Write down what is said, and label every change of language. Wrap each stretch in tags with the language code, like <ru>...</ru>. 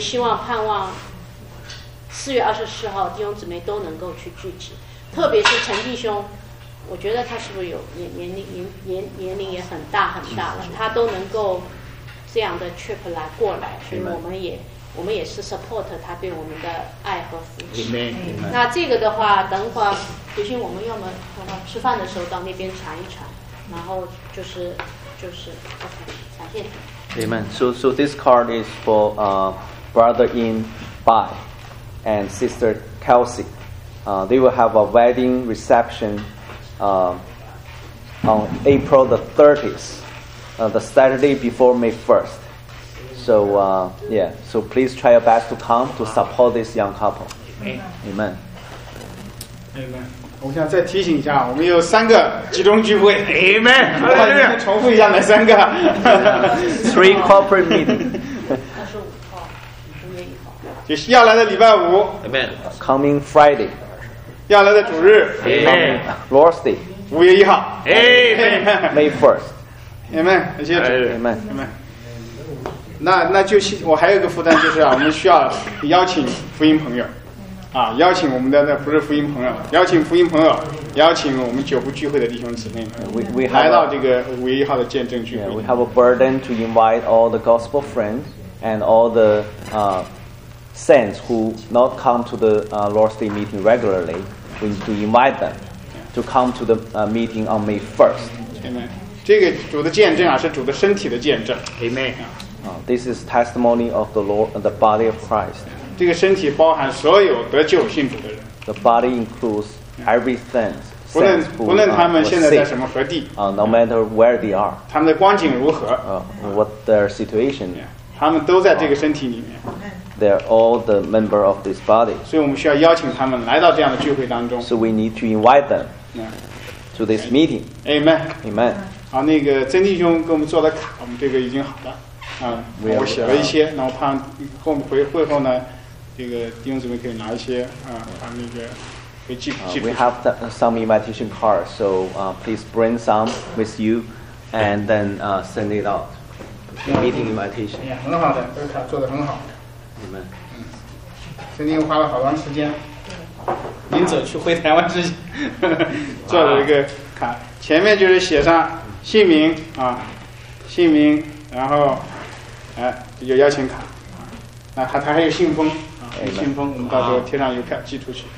<zh>所以希望盼望4月24号弟兄姊妹都能够去聚集，特别是陈弟兄，我觉得他是不是有年龄也很大很大了，他都能够这样的 trip 来过来，所以我们也是 support 他对我们的爱和扶持。那这个的话，等会儿不行，我们要么吃饭的时候到那边传一传，然后就是 OK， 感谢。</zh> <en>Amen. So this card is for brother in Bai and sister Kelsey. They will have a wedding reception on April the 30th, the Saturday before May 1st. So, so please try your best to come to support this young couple. Amen. Amen.</en> <zh>我想再提醒一下，我们有三个集中聚会。</zh> <en>Amen.</en> <zh>我再重复一下，那三个。</zh> <en>Three corporate meetings.</en> <zh>就是要来的礼拜五。</zh> <en>Amen. Coming Friday.</en> <zh>要来的主日</zh> <en>Lord's Day</en> <zh>5月1号</zh> <en>May 1st</en> <zh>Amen 感谢主</zh> <en>Amen</en> <zh>那就我还有一个负担，就是我们需要邀请福音朋友邀请我们的那不是福音朋友，邀请福音朋友，邀请我们九部聚会的弟兄姊妹们来到这个5月1号的见证聚会。</zh> <en>We have a burden to invite all the gospel friends and all theSaints who not come to the Lord's Day meeting regularly, we need to invite them to come to the meeting on May 1st. Amen.</en> <zh>这个主的见证啊，是主的身体的见证。</zh> <en>Amen. This is testimony of the Lord, the body of Christ.</en> <zh>这个身体包含所有得救信主的人。</zh> <en>The body includes everything.</en> <zh>不论他们现在在什么何地。</zh> <en>No matter where they are.</en> <zh>他们的光景如何。</zh> <en>What their situation.</en> <zh>他们都在这个身体里面。</zh> <en>They're all the member of this body. So we need to invite them to this meeting. Amen. Amen.</en> <zh>好，那个曾弟兄给我们做的卡，我们这个已经好了。我写了一些，然后怕后面回会后呢，这个弟兄姊妹可以拿一些把那个给寄。</zh> <en>We have some invitation cards, so please bring some with you, and then send it out. Meeting invitation.</en> <zh>很好的，这个卡做的很好。你们曾经花了好长时间，临走去回台湾之前做了一个卡，前面就是写上姓名姓名，然后有邀请卡他还有信封信封，我们到时候贴上邮票寄出去。</zh>